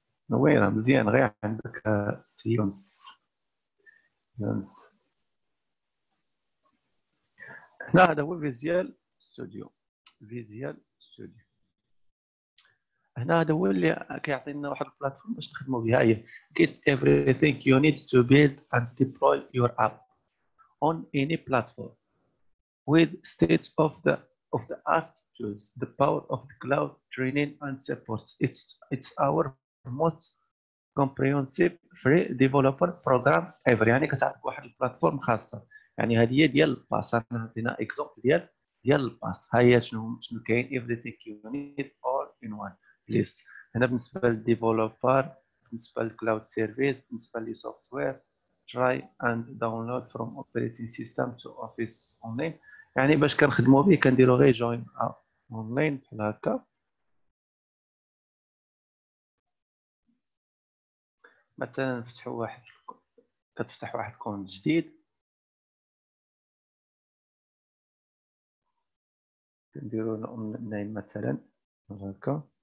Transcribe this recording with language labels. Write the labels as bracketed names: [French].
[Arabic] وين مزيان غير عندك سيونس يونس. هنا هذا هو فيزيال ستوديو، فيزيال هنا هذا هو اللي كيعطينا واحد البلاتفورم باش نخدموا بها. [English] هي get everything you need to build and deploy your app on any platform with state of the art tools, the power of the cloud training and supports. It's our most comprehensive free developer program ever. [Arabic] يعني كتعطيك واحد البلاتفورم خاصه، يعني هذه هي ديال الباس. انا عطينا اكزومبل ديال الباس، ها هي شنو كاين. [English] everything you need all in one place. [Arabic] هنا بالنسبة للديفلوبر، بالنسبة للكلاود سيرفيس، بالنسبة للسوفتوير، [English] try and download from operating system to office online. [Arabic] يعني باش كنخدمو به كنديرو غير [English] join online [Arabic] بحال هكا. مثلا نفتحو واحد، كتفتح واحد كونت جديد نديرو نايم مثلا هكا.